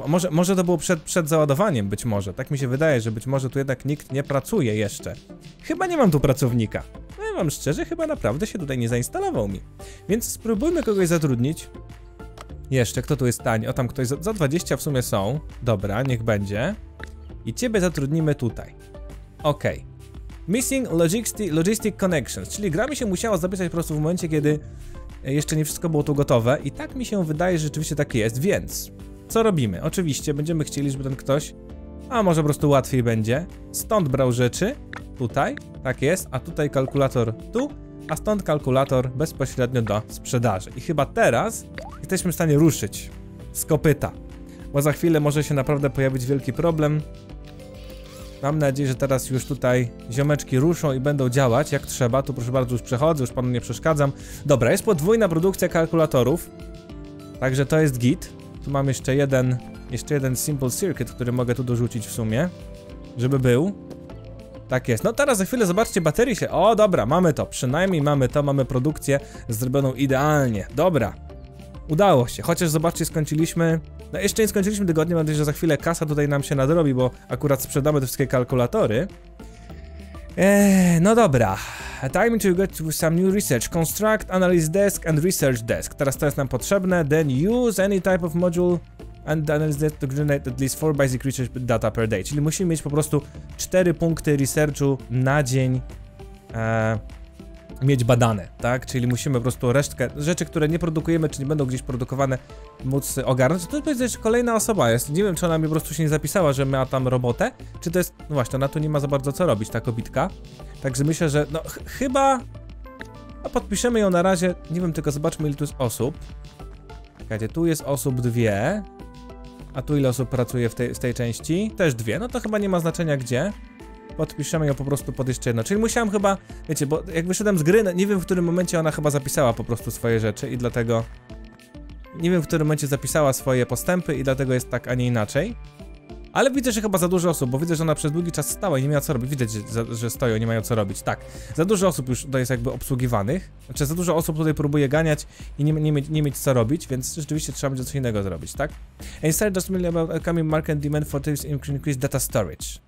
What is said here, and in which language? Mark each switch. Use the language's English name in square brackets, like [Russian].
[Polish] Może to było przed załadowaniem, być może. Tak mi się wydaje, że być może tu jednak nikt nie pracuje jeszcze. Chyba nie mam tu pracownika. Powiem wam szczerze, chyba naprawdę się tutaj nie zainstalował mi. Więc spróbujmy kogoś zatrudnić. Jeszcze, kto tu jest tani? O, tam ktoś za 20 w sumie są. Dobra, niech będzie. I ciebie zatrudnimy tutaj. Okej. Okay. [English] Missing logistic connections. [Polish] Czyli gra mi się musiała zapisać po prostu w momencie, kiedy jeszcze nie wszystko było tu gotowe. I tak mi się wydaje, że rzeczywiście tak jest, więc... Co robimy? Oczywiście będziemy chcieli, żeby ten ktoś, a może po prostu łatwiej będzie, stąd brał rzeczy, tutaj, tak jest, a tutaj kalkulator tu, a stąd kalkulator bezpośrednio do sprzedaży. I chyba teraz jesteśmy w stanie ruszyć z kopyta, bo za chwilę może się naprawdę pojawić wielki problem. Mam nadzieję, że teraz już tutaj ziomeczki ruszą i będą działać jak trzeba. Tu proszę bardzo, już przechodzę, już panu nie przeszkadzam. Dobra, jest podwójna produkcja kalkulatorów, także to jest git. Tu mam jeszcze jeden simple circuit, który mogę tu dorzucić w sumie, żeby był. Tak jest. No teraz za chwilę zobaczcie, baterii się... O, dobra, mamy to. Przynajmniej mamy to, mamy produkcję zrobioną idealnie. Dobra. Udało się. Chociaż zobaczcie, skończyliśmy... No jeszcze nie skończyliśmy tygodnia, mam nadzieję, że za chwilę kasa tutaj nam się nadrobi, bo akurat sprzedamy te wszystkie kalkulatory. No dobra. [English] Time to get to some new research. Construct, analyze desk and research desk. [Polish] Teraz to jest nam potrzebne. [English] Then use any type of module and analyze desk to generate at least 4 basic research data per day. [Polish] Czyli musimy mieć po prostu 4 punkty researchu na dzień mieć badane, tak? Czyli musimy po prostu resztkę rzeczy, które nie produkujemy, czy nie będą gdzieś produkowane, móc ogarnąć. To jest jeszcze kolejna osoba, jest. Nie wiem, czy ona mi po prostu się nie zapisała, że ma tam robotę, czy to jest... No właśnie, ona tu nie ma za bardzo co robić, ta kobitka. Także myślę, że no chyba... No podpiszemy ją na razie, nie wiem, tylko zobaczmy, ile tu jest osób. Czekajcie, tu jest osób 2. A tu ile osób pracuje w tej części? Też 2, no to chyba nie ma znaczenia gdzie. Podpiszemy ją po prostu pod jeszcze jedno. Czyli musiałem chyba, wiecie, bo jak wyszedłem z gry, nie wiem, w którym momencie ona chyba zapisała po prostu swoje rzeczy i dlatego... Nie wiem, w którym momencie zapisała swoje postępy i dlatego jest tak, a nie inaczej. Ale widzę, że chyba za dużo osób, bo widzę, że ona przez długi czas stała i nie miała co robić. Widać, że stoją, nie mają co robić. Tak, za dużo osób już tutaj jest jakby obsługiwanych. Znaczy, za dużo osób tutaj próbuje ganiać i nie mieć co robić, więc rzeczywiście trzeba będzie coś innego zrobić, tak? [English] Instead of merely about upcoming market demand for this increased data storage.